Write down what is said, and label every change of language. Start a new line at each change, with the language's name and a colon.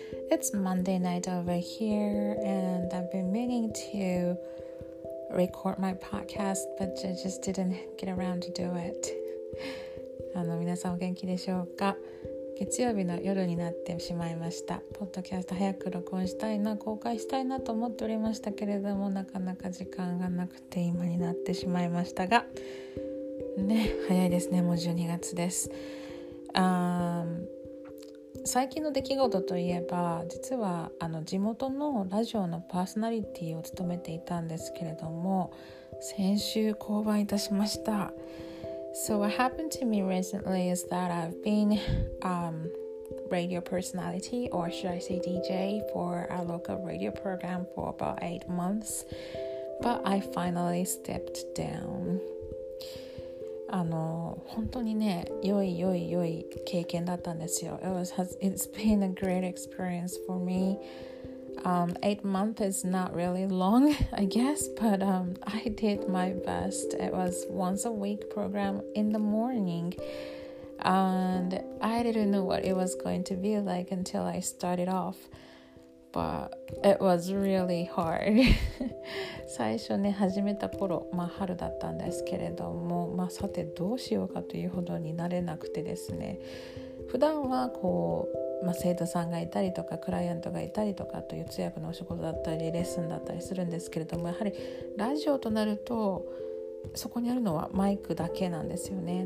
English: It's Monday night over here and I've been meaning to record my podcast but I just didn't get around to do it.
Japanese: 皆さんお元気でしょうか?月曜日の夜になってしまいました。ポッドキャスト早く録音したいな、公開したいなと思っておりましたけれども、なかなか時間がなくて今になってしまいましたが、ね、早いですね。もう12月です。最近の出来事といえば、実は地元のラジオのパーソナリティを務めていたんですけれども、先週降板いたしました。
English: So what happened to me recently is that I've been radio personality, or should I say DJ, for our local radio program for about 8 months, but I finally stepped down.
Japanese: 本当にね、良い経験だったんですよ。
English: It's been a great experience for me. 8 months is not really long, I guess, but I did my best. It was once a week program in the morning. And I didn't know what it was going to be like until I started off. But it was really hard.
Japanese: 最初ね、始めた頃、まあ春だったんですけれども、まあさてどうしようかというほどになれなくてですね。普段はこう、まあ、生徒さんがいたりとかクライアントがいたりとかという通訳のお仕事だったりレッスンだったりするんですけれども、やはりラジオとなるとそこにあるのはマイクだけなんですよね。